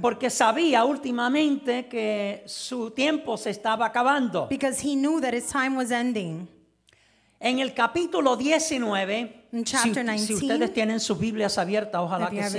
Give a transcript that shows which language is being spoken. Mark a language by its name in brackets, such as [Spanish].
[Spanish] Porque sabía últimamente que su tiempo se estaba acabando. [English] Because he knew that his time was ending. [Spanish] En el capítulo 19, [English] in chapter 19, [Spanish] si ustedes tienen sus Biblias abiertas, ojalá que sí.